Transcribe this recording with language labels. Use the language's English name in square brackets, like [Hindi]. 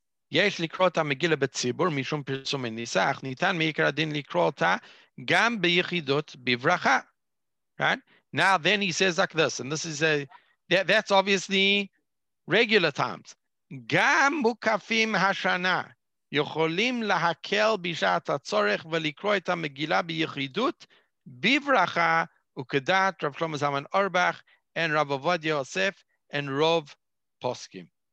[Hebrew] יש לקרוא את המגילה בציבור משום פרסום הניסח, ניתן מעיקר הדין לקרוא אותה גם ביחידות בברכה. [English] Right? Now then he says like this, and this is that's obviously regular times. [Hebrew] גם מוקפים השנה יכולים להקל בשעת הצורך ולקרוא את המגילה ביחידות בברכה, וכדעת רב שלמה זלמן אורבך and רב עובדיה יוסף and רוב פוסקים.